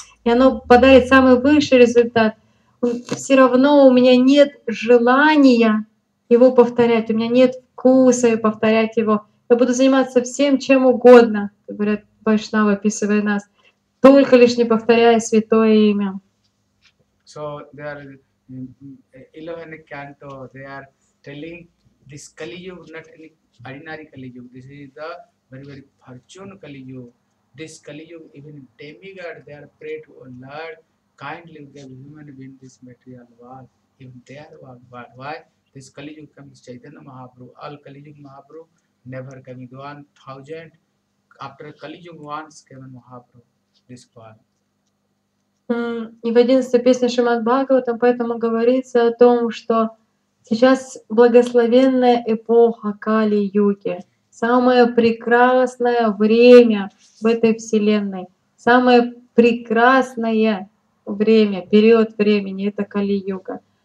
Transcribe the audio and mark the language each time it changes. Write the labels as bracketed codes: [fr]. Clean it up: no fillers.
[ru] и оно подарит самый высший результат, все равно у меня нет желания его повторять, у меня нет вкуса и повторять его. Я буду заниматься всем, чем угодно, говорят Вайшнавы, описывая нас, только лишь не повторяя святое имя. [en] So they are in 11 canto, they are telling this Kali Yuga, not any ordinary Kali Yuga, this is the very, very fortune Kali Yuga. This Kali Yuga, even demigod, they are prayed to, oh Lord, kindly give human being this material world, even their world. Why? This Kali Yuga comes Chaitanya Mahaprabhu, all Kali Yuga Mahaprabhu, never coming, 1000, after Kali Yuga once came in Mahaprabhu, this world. [ru] И в 11-й песне Шримад-Бхагаватам поэтому говорится о том, что сейчас благословенная эпоха Кали-Юги, самое прекрасное время в этой вселенной, самое прекрасное время, период времени — это Кали-Юга.